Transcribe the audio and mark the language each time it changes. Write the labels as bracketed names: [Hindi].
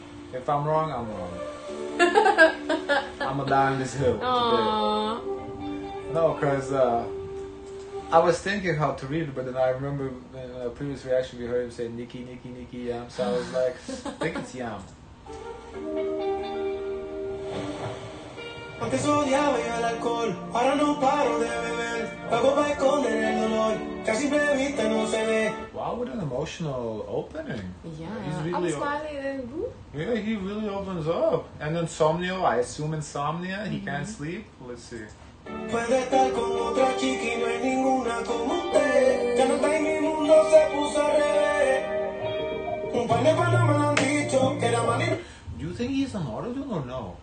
[English] If I'm wrong, I'm wrong. I'ma die on this hill. No, cause I was thinking how to read it, but then I remember in a previous reaction we heard him say NICKY JAM, so I was like, I think it's Yam. [Spanish] Antes odiaba yo el alcohol, ahora no paro de beber. Luego va a esconder el dolor, que a simple vista no se ve. [English] Wow, what an emotional opening. Yeah, he's really smiling. Yeah, he really opens up. And Insomnio, I assume insomnia, he can't sleep. Let's see. [Spanish] Puede estar con otra chica y no hay ninguna como usted. Ya no está en mi mundo, se puso a revés. Un par de panas me lo han dicho que era mal. [English] Do you think he's an auto-tune or no?